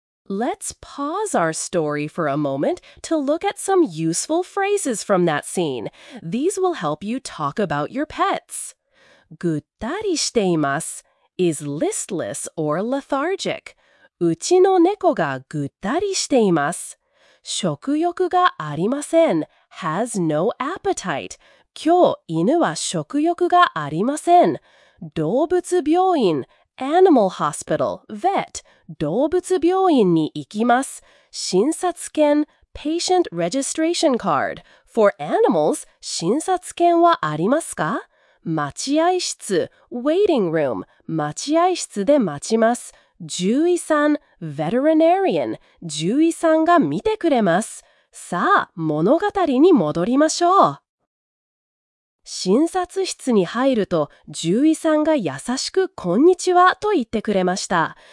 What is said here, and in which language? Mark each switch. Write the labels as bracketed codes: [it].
[en] Let's pause our story for a moment to look at some useful phrases from that scene. These will help you talk about your pets. [ja] ぐったりしています [en] is listless or lethargic. [ja] うちの猫がぐったりしています。食欲がありません [en] has no appetite. [ja] 今日犬は食欲がありません。動物病院 animal hospital, vet, 動物病院に行きます。 [en] 診察券 patient registration card. [ja] For animals, 診察券はありますか？待合室 waiting room, 待合室で待ちます。獣医さん veterinarian, 獣医さんが見てくれます。さあ、物語に戻りましょう。診察室に入ると、獣医さんが優しく、こんにちはと言ってくれました。